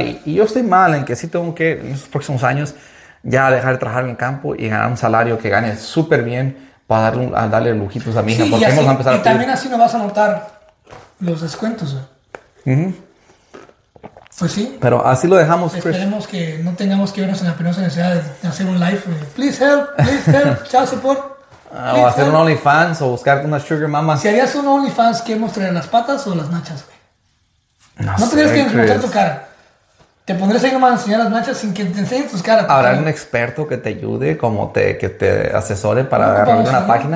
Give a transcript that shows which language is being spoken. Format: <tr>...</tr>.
<es>Y yo estoy mal en que sí tengo que, en los próximos años, ya dejar de trabajar en el campo y ganar un salario que gane súper bien para darle lujitos a mi hija. Sí, porque vamos a empezar. Y también así no vas a notar los descuentos. Pues sí. Pero así lo dejamos, Chris. Esperemos que no tengamos que vernos en la penosa necesidad de hacer un live.</es> <en>Please help, child support.</en> <es>O hacer un OnlyFans o buscarte una sugar mama. Si harías un OnlyFans, ¿qué mostrarías, las patas o las nachas, güey? No sé, tendrías que mostrar tu cara. Te pondrías ahí nomás a enseñar las nachas sin que te enseñen tus caras. ¿Habrá un experto que te ayude, como que te asesore para agarrar una página?</es>